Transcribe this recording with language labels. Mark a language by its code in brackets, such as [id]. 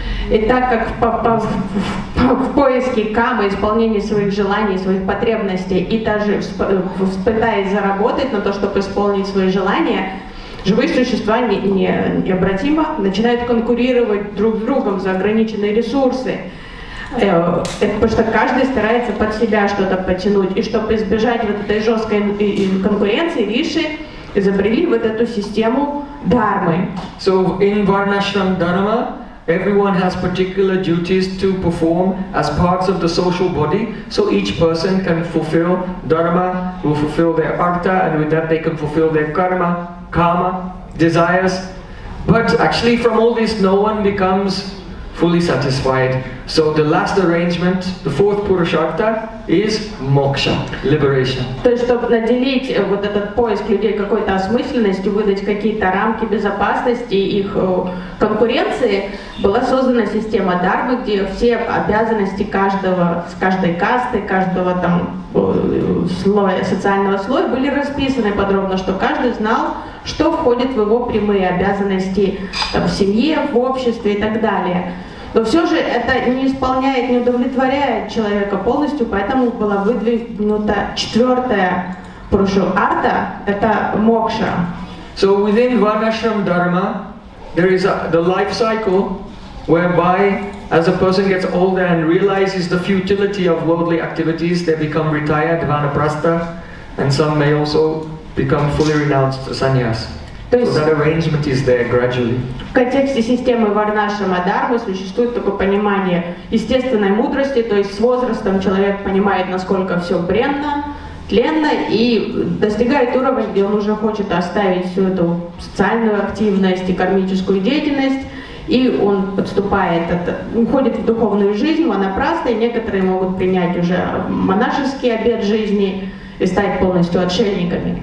[ru] И так как в поиске камы, исполнении своих желаний, своих потребностей и даже пытаясь заработать на то, чтобы исполнить свои желания, живые существа необратимо начинают конкурировать друг с другом за ограниченные ресурсы. Потому что каждый старается под себя что-то подтянуть. И чтобы избежать вот этой жесткой конкуренции, риши изобрели вот эту систему дхармы. [en] So in Varnashram Dharma, everyone has particular duties to perform as parts of the social body, so each person can fulfill dharma, will fulfill their artha, and with that they can fulfill their karma, kama, desires. But actually from all this no one becomes fully satisfied. So the last arrangement, the fourth purushartha, is moksha, liberation. [ru] То есть, чтобы наделить вот этот поиск людей какой-то осмысленностью, выдать какие-то рамки безопасности их конкуренции, была создана система дармы, где все обязанности каждого, с каждой касты, каждого там слоя, социального слоя были расписаны подробно, что каждый знал, что входит в его прямые обязанности там, в семье, в обществе и так далее. Но все же это не исполняет, не удовлетворяет человека полностью, поэтому была выдвинута четвертая пурушартха, это мокша. [en] So within Varnashram Dharma, there is the life cycle, whereby as a person gets older and realizes the futility of worldly activities, they become retired, vanaprastha, and some may also become fully renounced, sannyas. [ru] То есть, [en] so that arrangement is there gradually. [ru] В контексте системы Варнашрама Дхармы существует такое понимание естественной мудрости, то есть с возрастом человек понимает, насколько все бренно, тленно, и достигает уровня, где он уже хочет оставить всю эту социальную активность и кармическую деятельность, и он подступает, уходит в духовную жизнь, ванапрасты, некоторые могут принять уже монашеский обет жизни и стать полностью отшельниками.